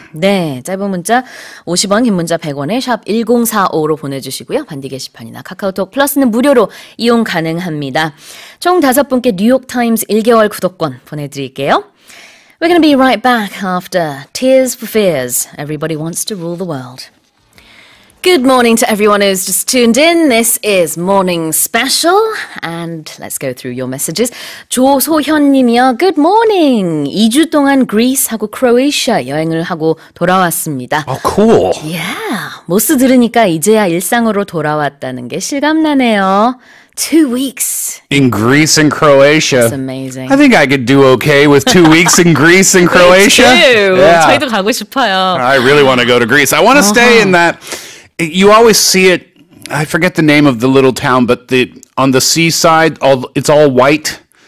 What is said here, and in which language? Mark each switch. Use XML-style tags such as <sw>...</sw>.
<ko>네, 짧은 문자 50원, 긴 문자 100원에 샵 1045로 보내주시고요. 반디 게시판. 카카오톡 플러스는 무료로 이용 가능합니다. 총 다섯 분께 뉴욕타임스 1개월 구독권 보내드릴게요.</ko> <en>We're going to be right back after Tears for Fears. Everybody wants to rule the world. Good morning to everyone who's just tuned in. This is Morning Special. And let's go through your messages.</en> <ko>조소현 님이요.</ko> <en>Good morning.</en> <ko>2주 동안 그리스하고 크로에이시아 여행을 하고 돌아왔습니다.</ko> <en>Oh, cool. Yeah.</en> <ko>모스 들으니까 이제야 일상으로 돌아왔다는 게 실감나네요.</ko> <en>2 weeks. In Greece and Croatia. That's amazing. I think I could do okay with 2 weeks in Greece and Croatia. Me too. Yeah.</en> <ko>저희도 가고 싶어요.</ko> <en>I really want to go to Greece. I want to stay in that... You always see it, I forget the name of the little town, but on the seaside, it's all white.</en>